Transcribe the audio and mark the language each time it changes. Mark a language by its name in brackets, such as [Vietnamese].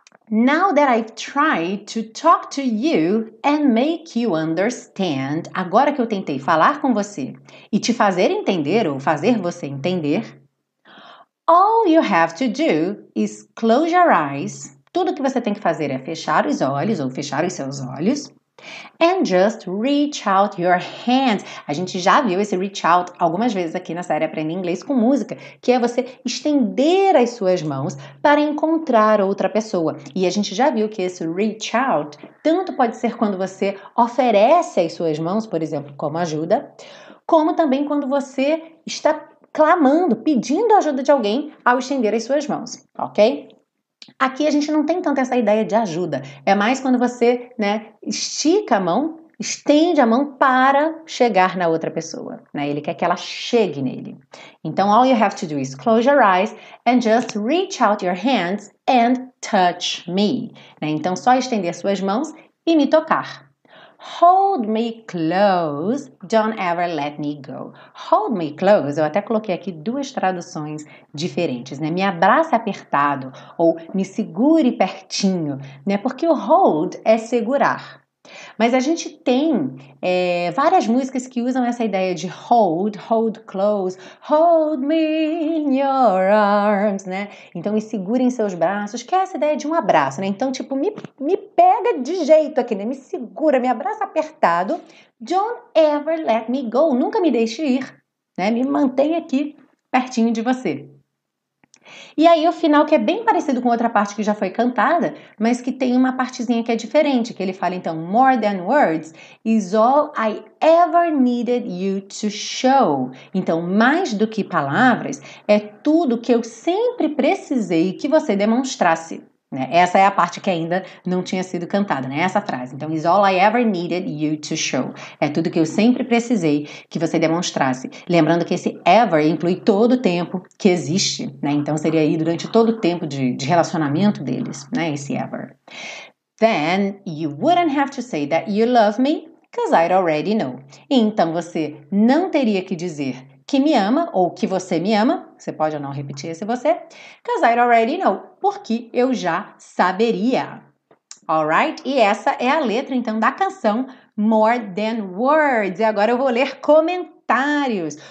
[English] Now that I've tried to talk to you and make you understand, [Portuguese] agora que eu tentei falar com você e te fazer entender ou fazer você entender, [English] all you have to do is close your eyes. [Portuguese] Tudo que você tem que fazer é fechar os olhos ou fechar os seus olhos. [English] And just reach out your hands. [Portuguese] A gente já viu esse reach out algumas vezes aqui na série Aprenda Inglês com Música, que é você estender as suas mãos para encontrar outra pessoa. E a gente já viu que esse reach out tanto pode ser quando você oferece as suas mãos, por exemplo, como ajuda, como também quando você está clamando, pedindo ajuda de alguém ao estender as suas mãos, ok? Aqui a gente não tem tanto essa ideia de ajuda. É mais quando você, né, estica a mão, estende a mão para chegar na outra pessoa, né? Ele quer que ela chegue nele. [English] Então, all you have to do is close your eyes and just reach out your hands and touch me. [Portuguese] Né? Então, só estender suas mãos e me tocar. [English] Hold me close, don't ever let me go. Hold me close, [Portuguese] eu até coloquei aqui duas traduções diferentes, né? Me abraça apertado ou me segure pertinho, né? Porque o hold é segurar. Mas a gente tem várias músicas que usam essa ideia de hold, hold close, [English] hold me in your arms, [Portuguese] né? Então me segure em seus braços, que é essa ideia de um abraço, né? Então, tipo, me pega de jeito aqui, né? Me segura, me abraça apertado. [English] Don't ever let me go, [Portuguese] nunca me deixe ir, né? Me mantenha aqui pertinho de você. E aí o final, que é bem parecido com outra parte que já foi cantada, mas que tem uma partezinha que é diferente, que ele fala, então, [English] more than words is all I ever needed you to show. [Portuguese] Então, mais do que palavras, é tudo que eu sempre precisei que você demonstrasse. Né? Essa é a parte que ainda não tinha sido cantada, né? Essa frase. [English] Então, is all I ever needed you to show. [Portuguese] É tudo que eu sempre precisei que você demonstrasse. Lembrando que esse ever inclui todo o tempo que existe, né? Então, seria aí durante todo o tempo de relacionamento deles, né? Esse ever. [English] Then, you wouldn't have to say that you love me, because I'd already know. [Portuguese] Então, você não teria que dizer que me ama, ou que você me ama, você pode ou não repetir esse você, [English] because I'd already know, [Portuguese] porque eu já saberia. Alright? E essa é a letra, então, da canção More Than Words. E agora eu vou ler comentários.